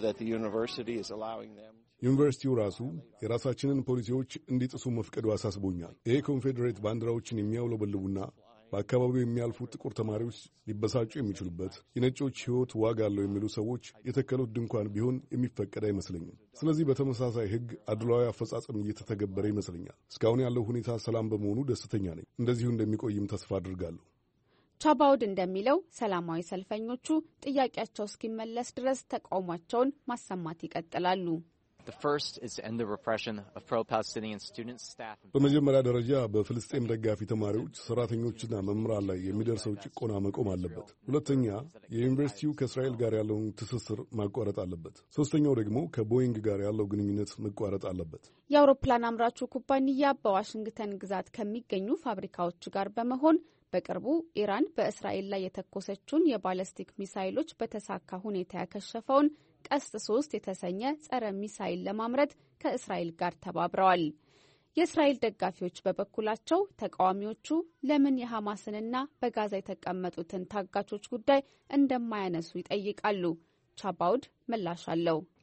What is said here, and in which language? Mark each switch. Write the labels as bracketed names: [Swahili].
[Amharic] ዩኒቨርሲቲው ራሱ የራሳችንን ፖሊሲዎች እንዲጥሱ መፍቀዱ አሳስቦኛል። ይህ ኮንፌዴሬት ባንዲራዎችን የሚያውለበልቡና በአካባቢው የሚያልፉ ጥቁር ተማሪዎች ሊበሳጩ የሚችሉበት፣ የነጮች ሕይወት ዋጋ አለው የሚሉ ሰዎች የተከሉት ድንኳን ቢሆን የሚፈቀድ አይመስለኝም። ስለዚህ በተመሳሳይ ሕግ አድሏዊ አፈጻጸም እየተተገበረ ይመስለኛል። እስካሁን ያለው ሁኔታ ሰላም በመሆኑ ደስተኛ ነኝ። እንደዚሁ እንደሚቆይም ተስፋ አድርጋለሁ። ቻባውድ እንደሚለው ሰላማዊ ሰልፈኞቹ ጥያቄያቸው እስኪመለስ ድረስ ተቃውሟቸውን ማሰማት ይቀጥላሉ። [English] The first is end the repression of pro-Palestinian students, staff. [Amharic] በመጀመሪያ ደረጃ በፍልስጤም ደጋፊ ተማሪዎች፣ ሰራተኞችና መምህራን ላይ የሚደርሰው ጭቆና መቆም አለበት። ሁለተኛ፣ የዩኒቨርሲቲው ከእስራኤል ጋር ያለውን ትስስር ማቋረጥ አለበት። ሶስተኛው ደግሞ ከቦይንግ ጋር ያለው ግንኙነት መቋረጥ አለበት። የአውሮፕላን አምራቹ ኩባንያ በዋሽንግተን ግዛት ከሚገኙ ፋብሪካዎች ጋር በመሆን በቅርቡ ኢራን በእስራኤል ላይ የተኮሰችውን የባለስቲክ ሚሳኤሎች በተሳካ ሁኔታ ያከሸፈውን ቀስት 3 የተሰኘ ጸረ ሚሳኤል ለማምረት ከእስራኤል ጋር ተባብረዋል። የእስራኤል ደጋፊዎች በበኩላቸው ተቃዋሚዎቹ ለምን የሐማስንና በጋዛ የተቀመጡትን ታጋቾች ጉዳይ እንደማያነሱ ይጠይቃሉ። ቻባውድ ምላሽ አለው።